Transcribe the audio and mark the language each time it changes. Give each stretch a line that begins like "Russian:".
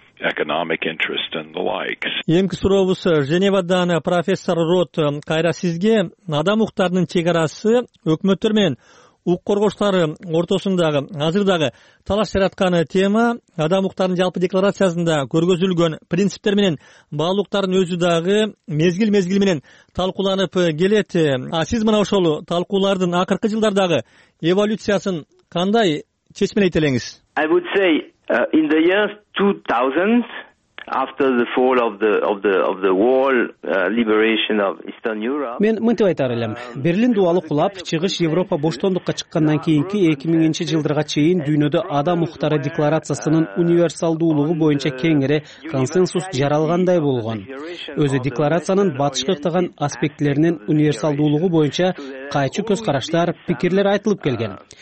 English: Economic interest and the likes.
Kyrgyz: Эмки сурообуз Женевадан профессор Рот кайра сизге адам укуктарынын чек арасы өкмөттөр менен укук коргоочулары ортосундагы азырдагы талаш жаратканы тема адам укуктарынын жалпы декларациясында көргөзүлгөн принциптер менен баалуулуктардын өзү дагы мезгил менен талкууланып келет. Сиз мына ошол талкуулардын акыркы жылдардагы эволюциясын кандай чечмелейт элеңиз?
English: I would say in the years 2000 after the fall of the wall liberation of Eastern Europe.
Kyrgyz: Мен мынтип айтар элем. Берлин дубалы кулап, чыгыш Европа боштондукка чыккандан кийинки 2000-жылдарга чейин дүйнөдө адам укуктары декларациясынын универсалдуулугу боюнча кеңири консенсус жаралгандай болгон. Өзү декларациянын батышка ыктаган аспектилеринин универсалдуулугу боюнча кайчы көз караштар, пикирлер айтылып келген.